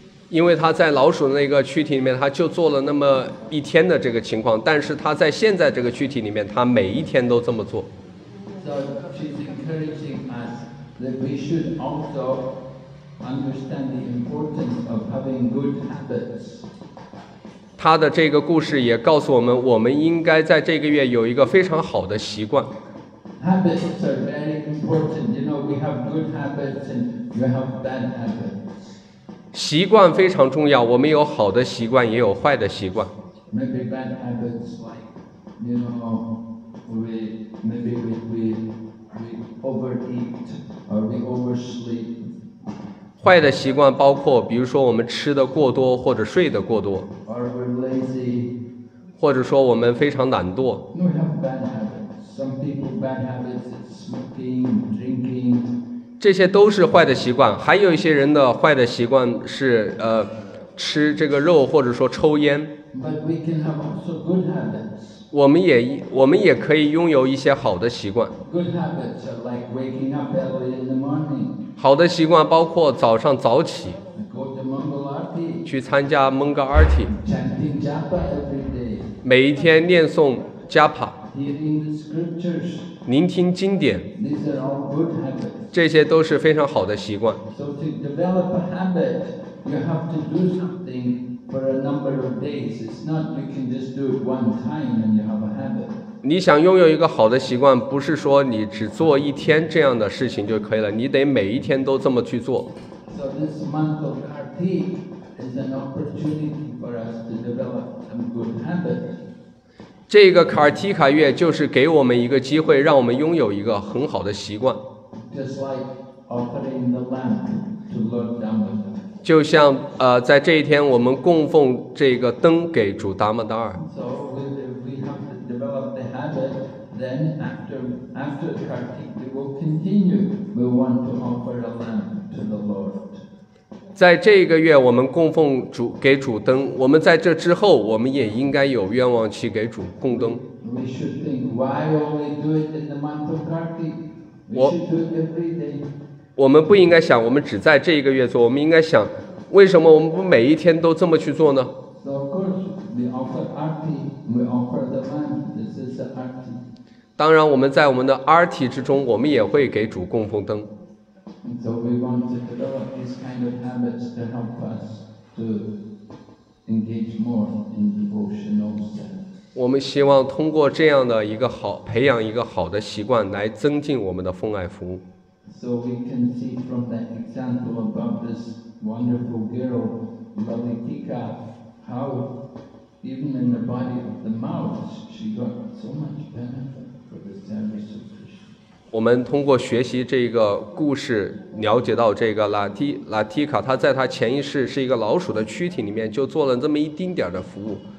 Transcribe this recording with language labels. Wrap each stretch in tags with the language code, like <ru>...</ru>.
<zh>因为他在老鼠的那个躯体里面，他就做了那么一天的这个情况，但是他在现在这个躯体里面，他每一天都这么做。</zh> <en>So she's encouraging us that we should also understand the importance of having good habits.</en> <zh>她的这个故事也告诉我们，我们应该在这个月有一个非常好的习惯。</zh> <en>Habits are very important. You know, we have good habits and we have bad habits.</en> <zh>习惯非常重要，我们有好的习惯，也有坏的习惯。</zh> <en>Maybe bad habits like, you know, we overeat or we oversleep.</en> <zh>坏的习惯包括，比如说我们吃的过多或者睡的过多。</zh> <en>Or we're lazy.</en> <zh>或者说我们非常懒惰。</zh> <en>We have bad habits. Some people bad habits is smoking, drinking.</en> <zh>这些都是坏的习惯，还有一些人的坏的习惯是吃这个肉或者说抽烟。</zh> <en>But we can have also good habits.</en> <zh>我们也可以拥有一些好的习惯。</zh> <en>Good habits are like waking up early in the morning.</en> <zh>好的习惯包括早上早起。</zh> <en>Go to Mangalarti.</en> <zh>去参加 Mangalarti.</zh> <en>Chanting Japa every day.</en> <zh>每一天念诵 Japa.</zh> <en>Hearing the scriptures.</en> <zh>聆听经典。</zh> <en>These are all good habits.</en> <zh>这些都是非常好的习惯。</zh> <en>So to develop a habit, you have to do something for a number of days. It's not you can just do it one time and you have a habit.</en> <zh>你想拥有一个好的习惯，不是说你只做一天这样的事情就可以了，你得每一天都这么去做。</zh> <en>So this month of Kartik is an opportunity for us to develop some good habits.</en> <zh>这个卡尔提卡月就是给我们一个机会，让我们拥有一个很好的习惯。</zh> <en>Just like offering the lamp to Lord Dhamma.</en> <zh>就像在这一天我们供奉这个灯给主达摩达尔。</zh> <en>So we have to develop the habit, then after Kartik, we will continue. We want to offer a lamp to the Lord.</en> <zh>在这个月我们供奉主给主灯，我们在这之后我们也应该有愿望去给主供灯。</zh> <en>We should think, why will we do it in the month of Kartik? We should do it every day.</en> <zh>我们不应该想我们只在这一个月做，我们应该想为什么我们不每一天都这么去做呢？</zh> <en>So of course, we offer Arti, we offer the lamp, this is the Arti.</en> <zh>当然我们在我们的 Arti 之中我们也会给主供奉灯。</zh> <en>And so we want to develop these kind of habits to help us to engage more in devotional sense.</en> <zh>我们希望通过这样的一个好培养一个好的习惯来增进我们的奉爱服务。</zh> <en>So we can see from that example about this wonderful girl, Lalitika, how even in the body of the mouth, she got so much benefit for the service of.</en> <zh>我们通过学习这个故事了解到这个拉提卡他在他前一世是一个老鼠的躯体里面就做了这么一丁点的服务。</zh>